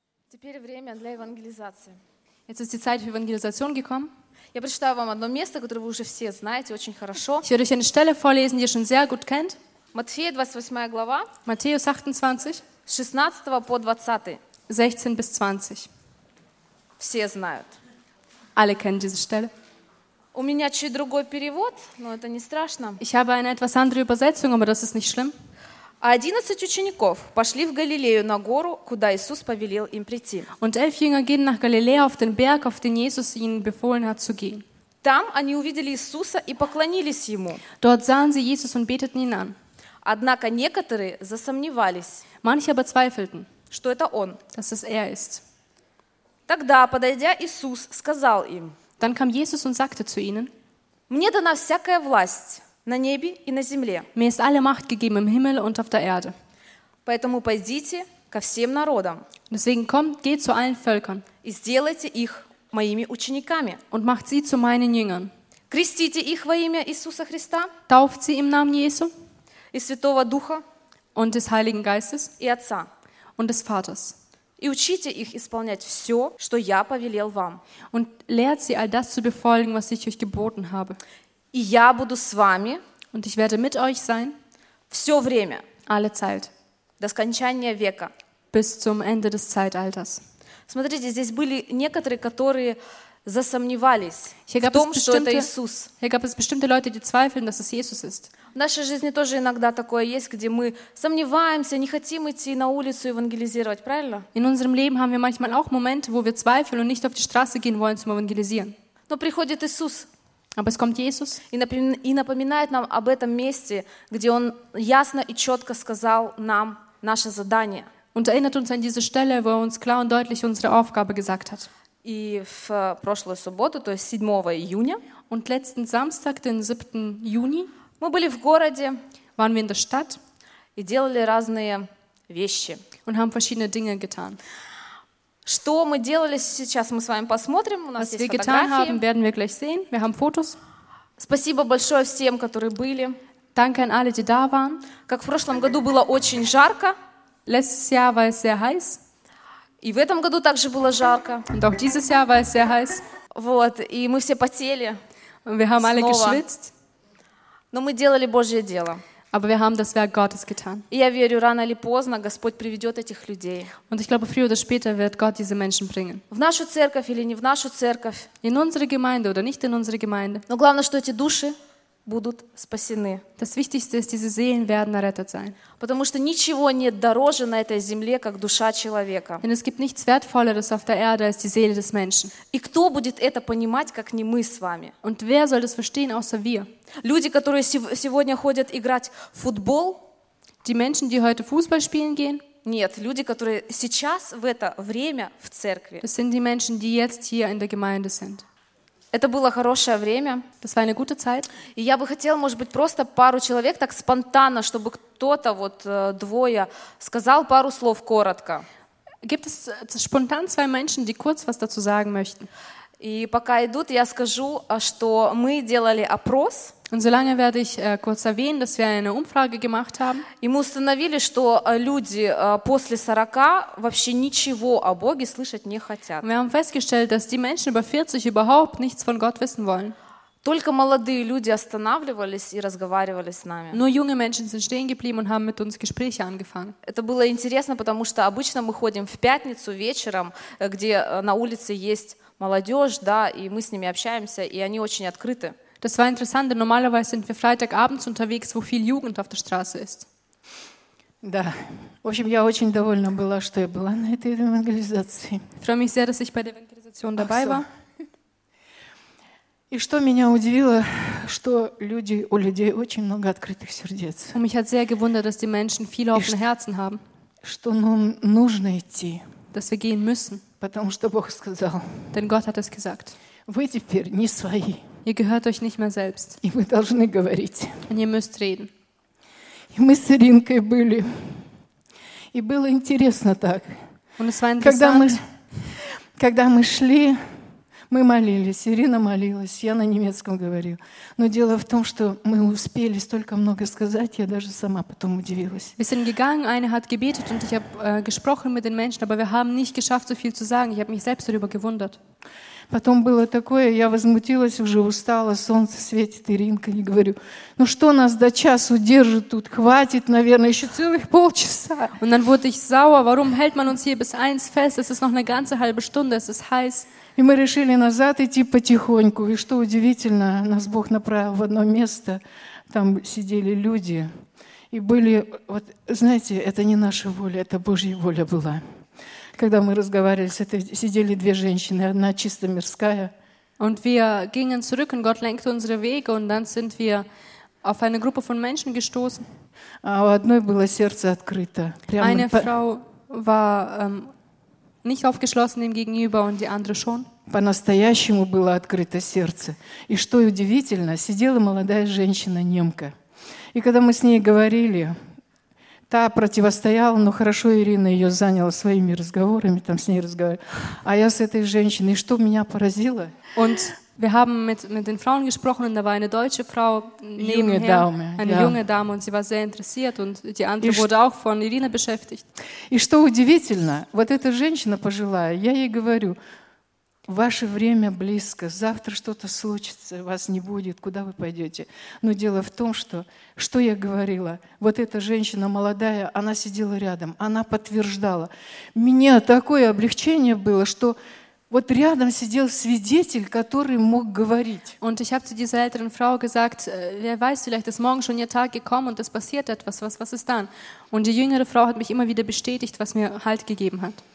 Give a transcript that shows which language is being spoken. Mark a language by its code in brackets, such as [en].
[ru] Теперь время для евангелизации. [de] Jetzt ist die Zeit für Evangelisation gekommen. [ru] Я прочитаю вам одно место, которое вы уже все знаете очень хорошо. [de] Ich werde euch eine Stelle vorlesen, die ihr schon sehr gut kennt. [ru] Matthäus 28, глава. [de] Matthäus 28. [ru] 16 по 20. [de] 16 bis 20. [ru] Все знают. [de] Alle kennen diese Stelle. [ru] У меня чуть другой перевод, но это не страшно. [de] Ich habe eine etwas andere Übersetzung, aber das ist nicht schlimm. [ru] 11 учеников пошли в Галилею на гору, куда Иисус повелел им прийти. [de] Und 11 Jünger gehen nach Galiläa auf den Berg, auf den Jesus ihnen befohlen hat zu gehen. [ru] Там они увидели Иисуса и поклонились ему. [de] Dort sahen sie Jesus und beteten ihn an. [ru] Однако некоторые засомневались. [de] Manche aber zweifelten, [ru] что это он. [de] Dass es er ist. [ru] Тогда, подойдя, Иисус сказал им. [de] Dann kam Jesus und sagte zu ihnen. [ru] Мне дана всякая власть. На небе и на земле. [de] Mir ist alle Macht gegeben im Himmel und auf der Erde. [ru] Поэтому пойдите ко всем народам. [de] Deswegen kommt, geht zu allen Völkern. [ru] И сделайте их моими учениками. [de] Und macht sie zu meinen Jüngern. [ru] Крестите их во имя Иисуса Христа. [de] Tauft sie im Namen Jesu. [ru] И Святого Духа. [de] Und des Heiligen Geistes. [ru] И Отца. [de] Und des Vaters. [ru] И учите их исполнять все, что я повелел вам. [de] Und lehrt sie all das zu befolgen, was ich euch geboten habe. [ru] И я буду с вами [de] und ich werde mit euch sein, [ru] все время, [de] alle Zeit, [ru] до скончания века, [de] bis zum Ende des Zeitalters. [ru] Смотрите, здесь были некоторые, которые засомневались [de] hier [ru] в том, что это Иисус. [de] Hier gab es bestimmte Leute, die zweifeln, dass es Jesus ist. [ru] В нашей жизни тоже иногда такое есть, где мы сомневаемся, не хотим идти на улицу евангелизировать, правильно? [de] In unserem Leben haben wir manchmal auch Momente, wo wir zweifeln und nicht auf die Straße gehen wollen zum Evangelisieren. [ru] Но приходит Иисус. [de] Aber es kommt Jesus. [ru] И напоминает нам об этом месте, где он ясно и четко сказал нам наше задание. [de] Und erinnert uns an diese Stelle, wo er uns klar und deutlich unsere Aufgabe gesagt hat. [ru] И в прошлую субботу, то есть 7 июня, [de] und letzten Samstag, den 7. Juni, [ru] мы были в городе, [de] waren wir in der Stadt, [ru] и делали разные вещи, [de] und haben verschiedene Dinge getan. [ru] Что мы делали сейчас, мы с вами посмотрим. У нас [de] Was [ru] есть фотографии. [de] Was wir getan haben, werden wir gleich sehen. Wir haben Fotos. [ru] Спасибо большое всем, которые были. [de] Danke an alle, die da waren. [ru] Как в прошлом году было очень жарко. [de] Letztes Jahr war es sehr heiß. [ru] И в этом году также было жарко. [de] Und auch dieses Jahr war es sehr heiß. [ru] Вот, и мы все потели. [de] Und wir haben alle geschwitzt. [ru] Но мы делали Божье дело. [de] Aber wir haben das Werk Gottes getan. [ru] Я верю, рано или поздно Господь приведет этих людей. [de] Und ich glaube, früher oder später wird Gott diese Menschen bringen. [ru] В нашу церковь или не в нашу церковь. [de] In unsere Gemeinde oder nicht in unsere Gemeinde. [ru] Но главное, что эти души будут спасены. [de] Das Wichtigste ist, diese Seelen werden errettet sein. [ru] Потому что ничего нет дороже на этой земле, как душа человека. [de] Denn es gibt nichts Wertvolleres auf der Erde als die Seele des Menschen. [ru] И кто будет это понимать, как не мы с вами? [de] Und wer soll das verstehen, außer wir? [ru] Люди, которые сегодня ходят играть в футбол, [de] die Menschen, die heute Fußball spielen gehen, [ru] нет, люди, которые сейчас в это время в церкви. [de] Das sind die Menschen, die jetzt hier in der Gemeinde sind. [ru] Это было хорошее время. [de] Das war eine gute Zeit. [ru] И я бы хотела, может быть, просто пару человек так спонтанно, чтобы кто-то вот двое сказал пару слов коротко. [de] Gibt es spontan zwei Menschen, die kurz was dazu sagen möchten? [ru] И пока идут, я скажу, что мы делали опрос. [de] Und solange werde ich kurz erwähnen, dass wir eine Umfrage gemacht haben. [ru] И мы установили, что люди после 40 вообще ничего о Боге слышать не хотят. [de] Wir haben festgestellt, dass die Menschen über 40 überhaupt nichts von Gott wissen wollen. [ru] Только молодые люди останавливались и разговаривали с нами. [de] Nur junge Menschen sind stehen geblieben und haben mit uns Gespräche angefangen. [ru] Это было интересно, потому что обычно мы ходим в пятницу вечером, где на улице есть молодежь, да, и мы с ними общаемся, и они очень открыты. [de] Das war interessant, denn normalerweise sind wir Freitagabends unterwegs, wo viel Jugend auf der Straße ist. [ru] Да. В общем, я очень довольна была, что я была на этой евангелизации. [de] Ich freue mich sehr, dass ich bei der Evangelisation dabei war. [ru] И что меня удивило, что люди, у людей очень много открытых сердец. [de] Und mich hat sehr gewundert, dass die Menschen viele offene Herzen haben. [ru] Что нам нужно идти. [de] Dass wir gehen müssen. [ru] Потому что Бог сказал. [de] Denn Gott hat es gesagt. [ru] Вы теперь не свои. [de] Ihr gehört euch nicht mehr selbst. [ru] И вы должны говорить. [de] Und ihr müsst reden. [ru] И мы с Иринкой были. И было интересно так. [de] Und es war interessant. [ru] Когда мы шли, Мы молились, Ирина молилась, я на немецком говорила. Но дело в том, что мы успели столько много сказать, я даже сама потом удивилась. [de] Wir sind gegangen, eine hat gebetet und ich habe gesprochen mit den Menschen, aber wir haben nicht geschafft, so viel zu sagen. Ich habe mich selbst darüber gewundert. [ru] Потом было такое, я возмутилась, уже устала, солнце светит, Иринка, не говорю. Ну что нас до часу держит тут? Хватит, наверное, еще целых полчаса. [de] Und dann wurde ich sauer, warum hält man uns hier bis eins fest? Es ist noch eine ganze halbe Stunde, es ist heiß. [ru] И мы решили назад идти потихоньку. И что удивительно, нас Бог направил в одно место, там сидели люди. И были, вот знаете, это не наша воля, это Божья воля была. Когда мы разговаривали, сидели две женщины, одна чисто мирская. [de] Und wir gingen zurück und Gott lenkte unsere Wege und dann sind wir auf eine Gruppe von Menschen gestoßen. [ru] А у одной было сердце открыто. [de] Eine Frau war nicht aufgeschlossen dem gegenüber und die andere schon. [ru] По-настоящему было открыто сердце. И что удивительно, сидела молодая женщина немка. И когда мы с ней говорили, та противостояла, но хорошо Ирина ее заняла своими разговорами, там с ней разговаривала. А я с этой женщиной, и что меня поразило? [de] Und wir haben mit den Frauen gesprochen und da war eine deutsche Frau nebenher, Dame, eine ja. junge Dame und sie war sehr interessiert und die andere wurde auch von Ирина beschäftigt. [ru] И что удивительно, вот эта женщина пожилая, я ей говорю, ваше время близко, завтра что-то случится, вас не будет, куда вы пойдете. Но дело в том, что я говорила, вот эта женщина молодая, она сидела рядом, она подтверждала. Мне такое облегчение было, что вот рядом сидел свидетель, который мог говорить. [de] Und ich habe zu dieser älteren Frau gesagt, wer weiß, vielleicht ist morgen schon ihr Tag gekommen und es passiert etwas, was ist dann? Und die jüngere Frau hat mich immer wieder bestätigt, was mir Halt gegeben hat.